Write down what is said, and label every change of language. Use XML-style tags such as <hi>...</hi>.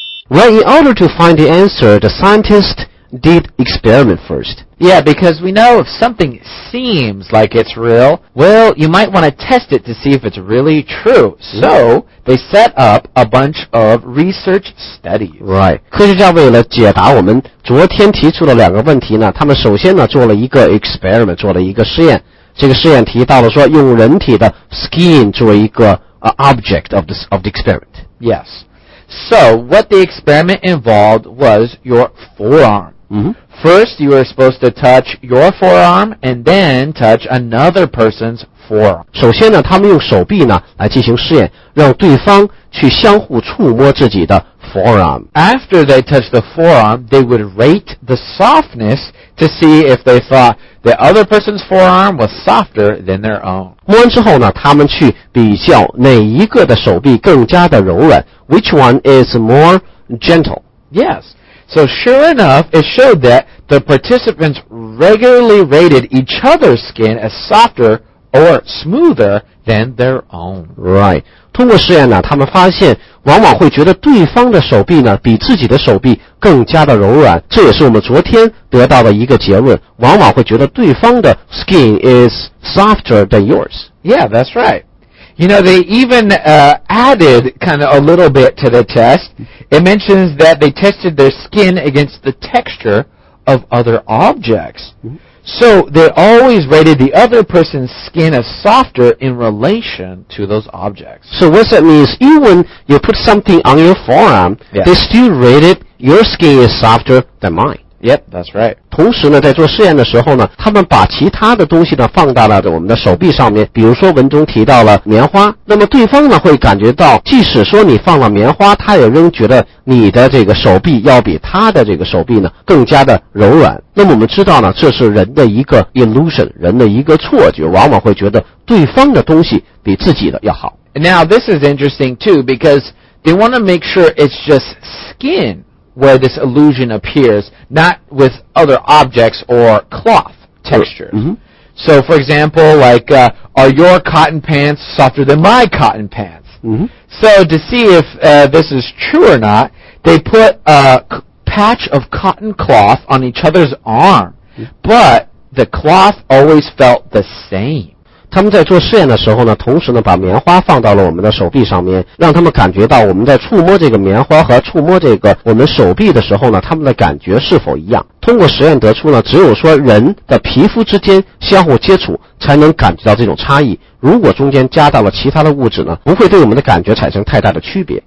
<en>Well, in order to find the answer, the scientist did experiment first. Yeah, because we know if something seems like it's real, well, you might want to test it to see if it's really true. So, they set up a bunch of research studies. Right.</en> <zh>科学家为了解答我们昨天提出的两个问题呢，他们首先呢做了一个 experiment, 做了一个试验。这个试验提到了说用人体的 skin 作为一个、</zh> <en>object of the experiment. Yes. So, what the experiment involved was your forearm.、 Mm-hmm. First, you were supposed to touch your forearm and then touch another person's forearm.</en> <zh>首先呢他们用手臂呢来进行试验让对方去相互触摸自己的 forearm.</zh> <en>After they touched the forearm, they would rate the softness to see if they thoughtThe other person's forearm was softer than their own.</en> <zh>摸完之后呢，他们去比较哪一个的手臂更加的柔软 ，</zh> <en>Which one is more gentle? Yes. So sure enough, it showed that the participants regularly rated each other's skin as softer or smoother than their own. Right.</en> <zh>通过试验呢，他们发现往往会觉得对方的手臂呢比自己的手臂更加的柔软。这也是我们昨天得到的一个结论，往往会觉得对方的</zh> <en>skin is softer than yours. Yeah, that's right. You know, they even, added kind of a little bit to the test. It mentions that they tested their skin against the texture of other objects. So they always rated the other person's skin as softer in relation to those objects. So what that means, even when you put something on your forearm, yeah. they still rated your skin is softer than mine. Yep, that's right.</en> <zh>同时呢，在做试验的时候呢，他们把其他的东西呢放到了我们的手臂上面，比如说文中提到了棉花，那么对方呢会感觉到，即使说你放了棉花，他也仍觉得你的这个手臂要比他的这个手臂呢更加的柔软。那么我们知道呢，这是人的一个 illusion， 人的一个错觉，往往会觉得对方的东西比自己的要好。</zh> <en>Now this is interesting too because they want to make sure it's just skin. Where this illusion appears, not with other objects or cloth textures. Mm-hmm. So, for example, like, are your cotton pants softer than my cotton pants? Mm-hmm. So, to see if, this is true or not, they put a patch of cotton cloth on each other's arm, mm-hmm. but the cloth always felt the same.</en> <zh>他们在做试验的时候呢，同时呢把棉花放到了我们的手臂上面，让他们感觉到我们在触摸这个棉花和触摸这个我们手臂的时候呢，他们的感觉是否一样。通过实验得出呢，只有说人的皮肤之间相互接触才能感觉到这种差异，如果中间加到了其他的物质呢，不会对我们的感觉产生太大的区别。</zh>